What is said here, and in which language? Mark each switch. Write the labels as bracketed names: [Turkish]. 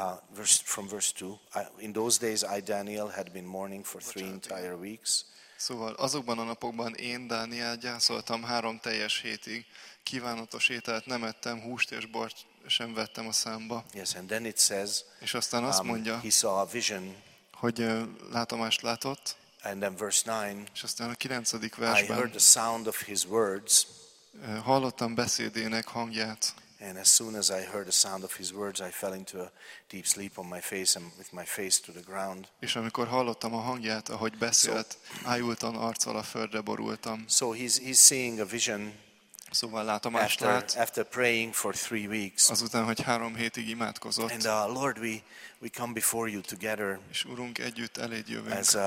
[English] Verse 2. In those days I, Daniel, had been mourning for 3 entire weeks. [Hungarian] Szóval azokban a napokban én, Dániel, gyászoltam 3 teljes hétig. Kívánatos ételt nem ettem, húst és bort sem vettem a számba. [English] Yes, and then it says, [Hungarian] és aztán azt mondja, [English] he saw a vision, [Hungarian] hogy látomást látott. [English] And then verse 9, [Hungarian] és aztán a 9. versben, [English] I heard the sound of his words, [Hungarian] hallottam beszédének hangját. [English] And as soon as I heard the sound of his words, I fell into a deep sleep on my face and with my face to the ground. [Hungarian] És amikor hallottam a hangját, ahogy beszélt, ájultan arccal a földre borultam. [English] So he's seeing a vision. [Hungarian] Szóval látomást lát. [English] After praying for 3 weeks. [Hungarian] Azután, hogy 3 hétig imádkozott. [English] And Lord, we come before you together. [Hungarian] És Urunk, együtt eléd jövünk.